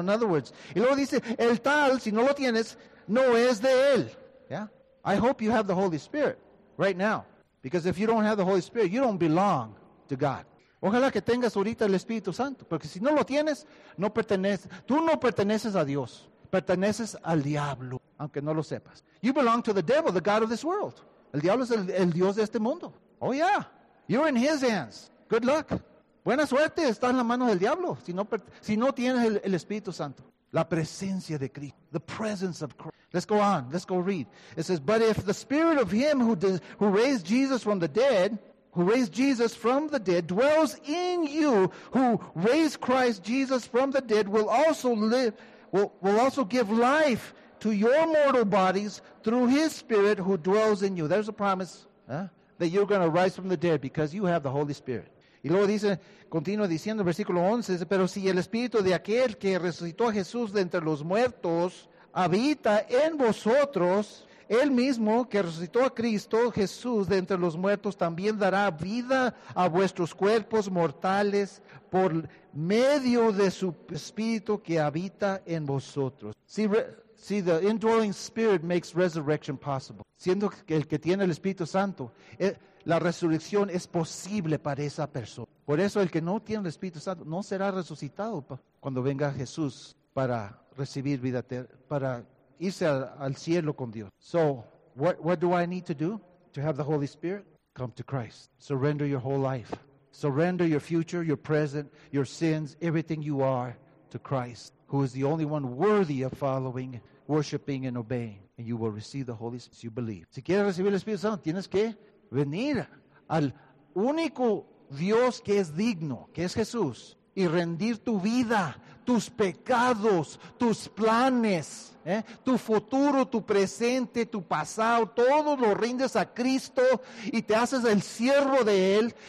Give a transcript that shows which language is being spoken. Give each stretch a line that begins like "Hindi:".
English: In other words,
Spanish: y luego dice, el tal, si no lo tienes, no es de él.
English: Yeah? I hope you have the Holy Spirit right now. Because if you don't have the Holy Spirit, you don't belong to God.
Spanish: Ojalá que tengas ahorita el Espíritu Santo, porque si no lo tienes, no perteneces. Tú no perteneces a Dios, perteneces al diablo, aunque no lo sepas.
English: You belong to the devil, the god of this world.
Spanish: El diablo es el dios de este mundo.
English: Oh yeah, you're in his hands. Good luck.
Spanish: Buena suerte, estás en las manos del diablo, si no tienes el Espíritu Santo. La presencia de Cristo,
English: the presence of Christ. Let's go on, let's go read. It says, but if the spirit of him who raised Jesus from the dead dwells in you, who raised Christ Jesus from the dead will also give life to your mortal bodies through his spirit who dwells in you. There's a promise that you're going to rise from the dead because you have the Holy Spirit.
Spanish: Y luego dice, continúa diciendo, versículo 11, dice, pero si el espíritu de aquel que resucitó a Jesús de entre los muertos habita en vosotros, él mismo que resucitó a Cristo Jesús de entre los muertos también dará vida a vuestros cuerpos mortales por medio de su espíritu que habita en vosotros.
English: See, the indwelling spirit makes resurrection possible.
Spanish: Siendo que el que tiene el Espíritu Santo, la resurrección es posible para esa persona. Por eso el que no tiene el Espíritu Santo no será resucitado cuando venga Jesús para recibir vida eterna, para irse al cielo con Dios.
English: So, what do I need to do to have the Holy Spirit? Come to Christ. Surrender your whole life. Surrender your future, your present, your sins, everything you are to Christ, who is the only one worthy of following, worshiping, and obeying. And you will receive the Holy Spirit if you believe.
Spanish: Si quieres recibir el Espíritu Santo, tienes que venir al único Dios que es digno, que es Jesús, y rendir tu vida, tus pecados, tus planes, tu futuro, tu presente, tu pasado, todo lo rindes a Cristo y te haces el siervo de Él.